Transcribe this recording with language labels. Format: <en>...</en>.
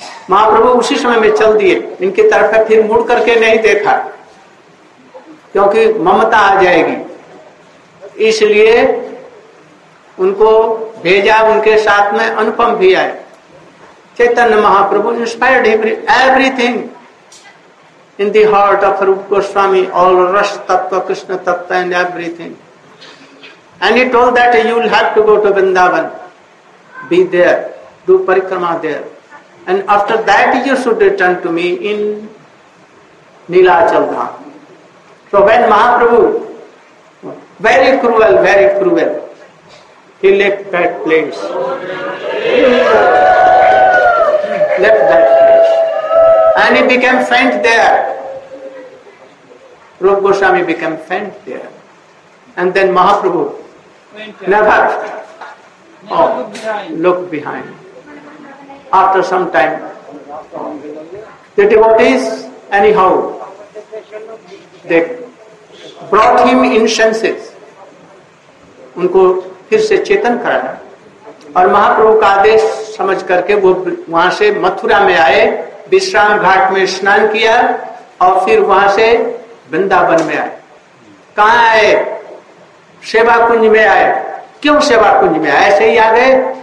<hi>महाप्रभु उसी समय में चल दिए, इनकी तरफ फिर मुड़ करके नहीं देखा, क्योंकि ममता आ जाएगी। इसलिए उनको भेजा, उनके साथ में अनुपम भी आए, Chaitanya Mahaprabhu</hi> <en>Inspired everything in the heart of Rupa Goswami, all rasa tattva Krishna tattva and everything. And he told that you will have to go to Vrindavan, be there, do parikrama there, and after that you should return to me in Nilachalda. So when Mahaprabhu, very cruel, he left that place. And he became friend there. Rup Goswami became friend there. And then Mahaprabhu, never look behind. After some time, the devotees, anyhow, they brought him incenses.</en> <hi>उनको फिर से चेतन कराया और महाप्रभु का आदेश समझ करके वो वहां से मथुरा में आए, विश्राम घाट में स्नान किया और फिर वहां से वृंदावन में आए। कहां आए? सेवा कुंज में आए। क्यों सेवा कुंज में ऐसे ही आ गए?</hi>